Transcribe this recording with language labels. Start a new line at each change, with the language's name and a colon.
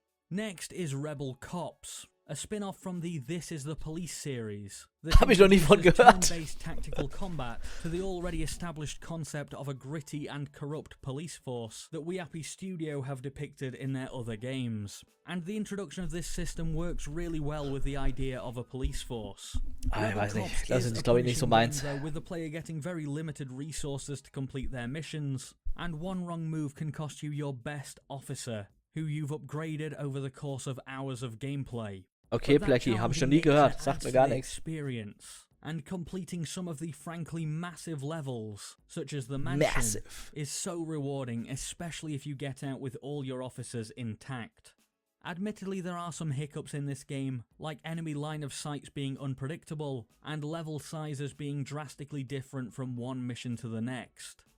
English: Next is Rebel Cops, a spin-off from the This Is The Police series.
German: Hab ich noch nie von gehört.
English: Turn-based tactical combat to the already established concept of a gritty and corrupt police force that Weappy Studio have depicted in their other games. And the introduction of this system works really well with the idea of a police force.
German: Ich weiß nicht, das ist glaube ich nicht so meins.
English: With the player getting very limited resources to complete their missions, and one wrong move can cost you your best officer, who you've upgraded over the course of hours of gameplay.
German: Okay, Blacky, hab ich noch nie gehört, sagt mir gar nichts.
English: And completing some of the frankly massive levels, such as the mansion, massive, is so rewarding, especially if you get out with all your officers intact. Admittedly, there are some hiccups in this game, like enemy line of sights being unpredictable, and level sizes being drastically different from one mission to the next.